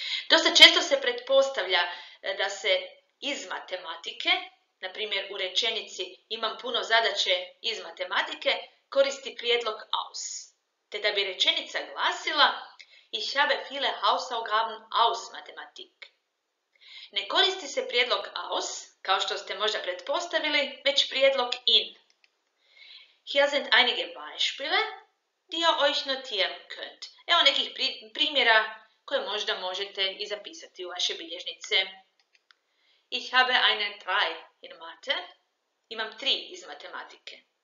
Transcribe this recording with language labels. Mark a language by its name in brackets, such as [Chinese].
[Croatian] Dosta često se pretpostavlja da se iz matematike, na primjer u rečenici imam puno zadaće iz matematike, koristi prijedlog aus. Te da bi rečenica glasila, [German] ich habe viele Hausaufgaben aus Mathematik. [Croatian] Ne koristi se prijedlog aus, kao što ste možda pretpostavili, već prijedlog in. [German] Hier sind einige Beispiele, die ihr euch notieren könnt. [Croatian] Evo nekih primjera koje možda možete i zapisati u vaše bilježnice. [German] Ich habe eine 3 in Mathe. [Croatian] Imam 3 iz matematike.